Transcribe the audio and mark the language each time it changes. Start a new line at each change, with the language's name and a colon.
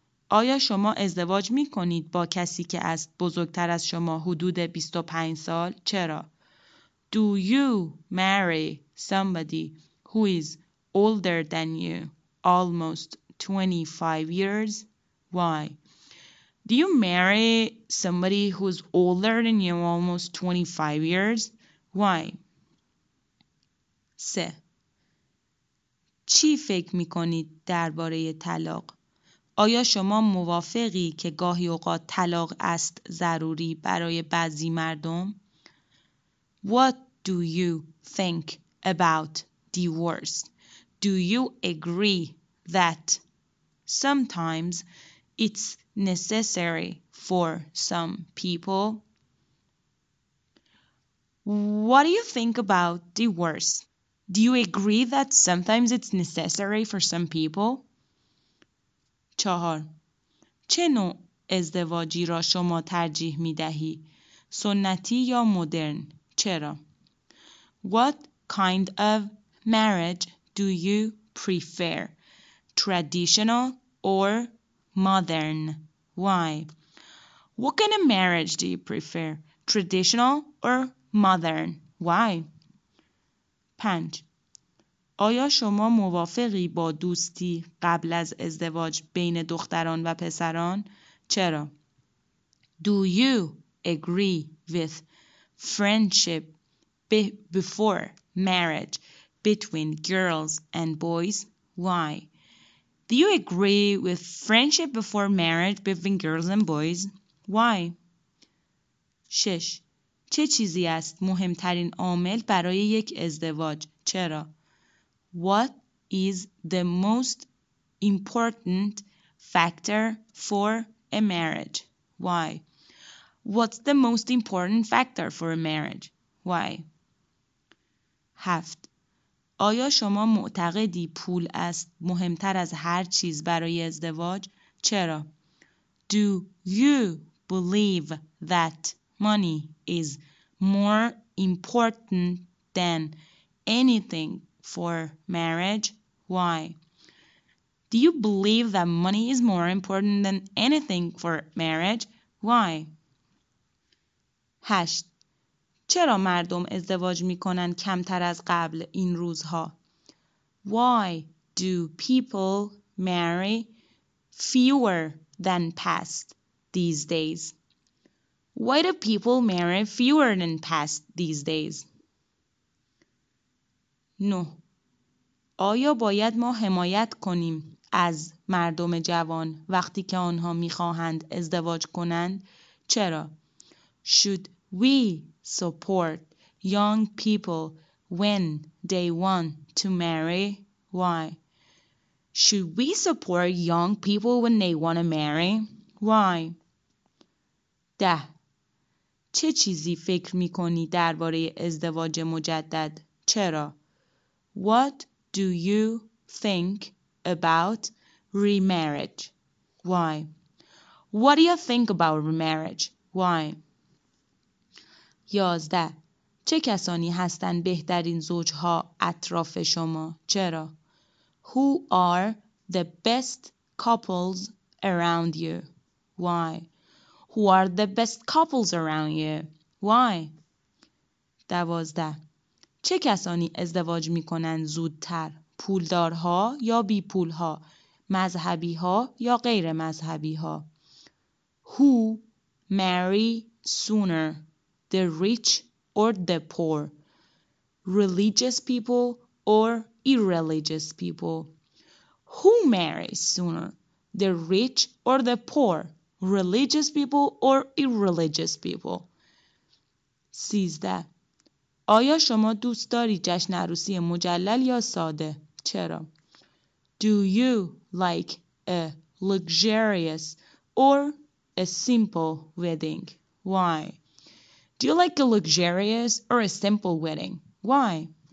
Persian: آیا شما ازدواج می کنید با کسی که است بزرگتر از شما حدود 25 سال؟ چرا؟
English: Do you marry somebody who is older than you, almost 25 years? Why? Do you marry somebody who's older than you, almost 25 years? Why? 3.
Persian: چی فکر می‌کنید درباره طلاق؟ آیا شما موافقی که گاهی اوقات طلاق است ضروری برای بعضی مردم؟
English: What do you think about divorce? Do you agree that sometimes it's necessary for some people? What do you think about divorce? Do you agree that sometimes it's necessary for some people? 4.
Persian: چه نوع ازدواجی را شما ترجیح می دهی؟ سنتی یا مدرن؟ چرا؟
English: What kind of marriage do you prefer? Traditional or modern? Why? What kind of marriage do you prefer? Traditional or modern? Why? 5.
Persian: آیا شما موافقی با دوستی قبل از ازدواج بین دختران و پسران؟ چرا؟
English: Do you agree with friendship before marriage between girls and boys? Why? Do you agree with friendship before marriage between girls and boys? Why? 6.
Persian: چه چیزی است مهمترین عامل برای یک ازدواج؟ چرا؟
English: What is the most important factor for a marriage? Why? What's the most important factor for a marriage? Why? 7.
Persian: آیا شما معتقدی پول است مهمتر از هر چیز برای ازدواج؟ چرا؟
English: Do you believe that money is more important than anything for marriage? Why? Do you believe that money is more important than anything for marriage? Why? 8.
Persian: چرا مردم ازدواج میکنن کمتر از قبل این روزها؟
English: Why do people marry fewer than past these days? Why do people marry fewer than past these days? 9.
Persian: آیا باید ما حمایت کنیم از مردم جوان وقتی که آنها میخواهند ازدواج کنند؟ چرا؟
English: Should we support young people when they want to marry? Why? Should we support young people when they want to marry? Why? 10.
Persian: چه چیزی فکر میکنی درباره ازدواج مجدد؟ چرا؟
English: What do you think about remarriage? Why? What do you think about remarriage? Why? 11.
Persian: چه کسانی هستند بهترین زوجها اطراف شما؟ چرا؟
English: Who are the best couples around you? Why? Who are the best couples around you? Why? 12.
Persian: چه کسانی ازدواج می کنند زودتر؟ پولدارها یا بی پولها؟ مذهبیها یا غیر مذهبیها؟
English: Who marry sooner, the rich or the poor? Religious people or irreligious people? Who marries sooner, the rich or the poor? Religious people or irreligious people?
Persian: 13. آیا شما دوست داری جشن عروسی مجلل یا ساده؟ چرا.
English: Do you like a luxurious or a simple wedding? Why? Do you like a luxurious or a simple wedding? Why?